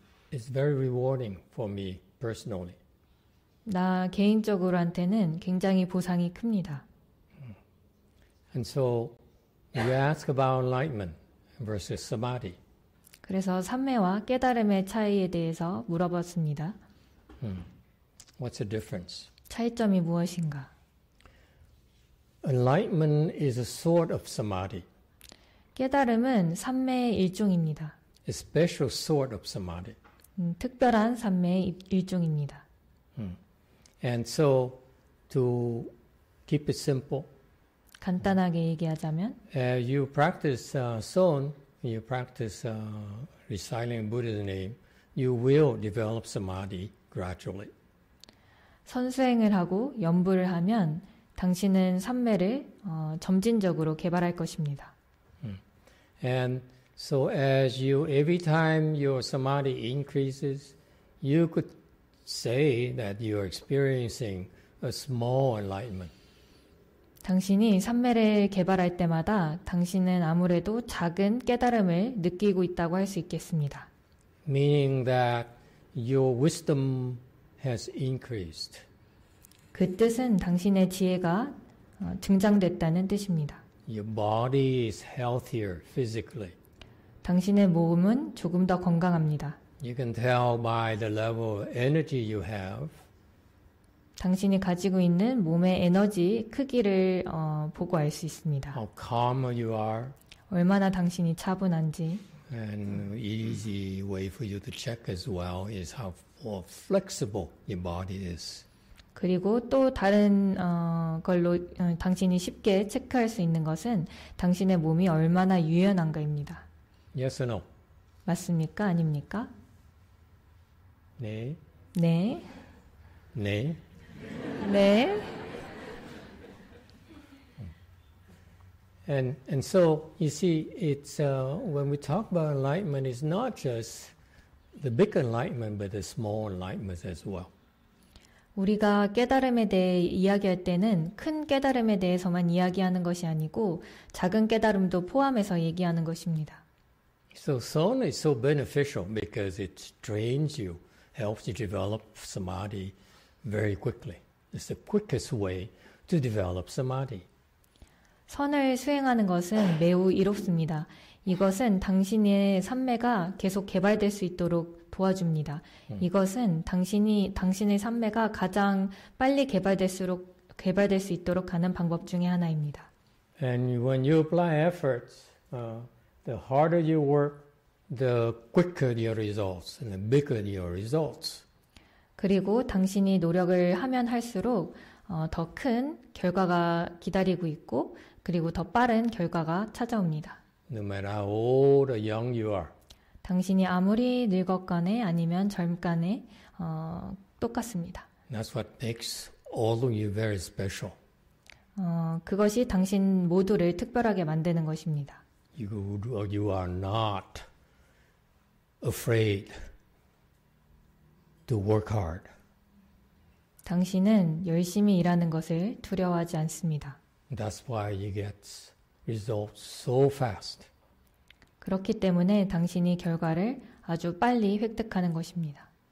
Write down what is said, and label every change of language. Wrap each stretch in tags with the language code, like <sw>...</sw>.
<en>It's very rewarding for me personally.</en> <ko>나 개인적으로한테는 굉장히 보상이 큽니다.</ko> <en>And so you ask about enlightenment versus samadhi.</en> <ko>그래서 삼매와 깨달음의 차이에 대해서 물어봤습니다.</ko> <en>What's the difference?</en> <ko>차이점이 무엇인가?</ko> <en>Enlightenment is a sort of samadhi.</en> <ko>깨달음은 삼매의 일종입니다.</ko> <en>A special sort of samadhi.</en> <ko>특별한 삼매의 일종입니다.</ko> <en>And so, to keep it simple.</en> <ko>간단하게 얘기하자면.</ko> <en>You practice Seon, you practice reciting Buddha's name, you will develop samadhi gradually.</en> <ko>선수행을 하고 염불을 하면 당신은 삼매를 점진적으로 개발할 것입니다.</ko> <en>And so as you, every time your samadhi increases, you could say that you are experiencing a small enlightenment.</en> <ko>당신이 삼매를 개발할 때마다 당신은 아무래도 작은 깨달음을 느끼고 있다고 할수 있겠습니다.</ko> <en>Meaning that your wisdom has increased.</en> <ko>그 뜻은 당신의 지혜가 증장됐다는 뜻입니다.</ko> <en>Your body is healthier physically.</en> <ko>당신의 몸은 조금 더 건강합니다.</ko> <en>You can tell by the level of energy you have.</en> <ko>당신이 가지고 있는 몸의 에너지 크기를 보고 알수 있습니다.</ko> <en>How calm you are.</en> <ko>얼마나 당신이 차분한지.</ko> <en>And easy way for you to check as well is how flexible your body is.</en> <ko>그리고 또 다른 걸로 당신이 쉽게 체크할 수 있는 것은 당신의 몸이 얼마나 유연한가입니다.</ko> <en>Yes or no?</en> <ko>맞습니까? 아닙니까? 네. 네. 네. 네.</ko> <en>And so you see, it's when we talk about enlightenment, it's not just the big enlightenment, but the small enlightenments as well.</en> <ko>우리가 깨달음에 대해 이야기할 때는 큰 깨달음에 대해서만 이야기하는 것이 아니고 작은 깨달음도 포함해서 얘기하는 것입니다.</ko> <en>So Seon is so beneficial because it trains you, helps you develop samadhi very quickly. It's the quickest way to develop samadhi.</en> <ko>선을 수행하는 것은 매우 이롭습니다. 이것은 당신의 삼매가 계속 개발될 수 있도록 도와줍니다. 이것은 당신의 삼매가 가장 빨리 개발될 수 있도록 하는 방법 중에 하나입니다.</ko> <en>And when you apply efforts, the harder you work, the quicker your results and the bigger your results.</en> <ko>그리고 당신이 노력을 하면 할수록 더큰 결과가 기다리고 있고, 그리고 더 빠른 결과가 찾아옵니다.</ko> <en>No matter how old or young you are.</en> <ko>당신이 아무리 늙었거나 아니면 젊거나 똑같습니다.</ko> <en>That's what makes all of you very special.</en> <ko>그것이 당신 모두를 특별하게 만드는 것입니다.</ko> <en>You are not afraid to work hard.</en> <ko>당신은 열심히 일하는 것을 두려워하지 않습니다.</ko> <en>That's why you get results so fast.</en> <ko>그렇기 때문에 당신이 결과를 아주 빨리 획득하는 것입니다.</ko>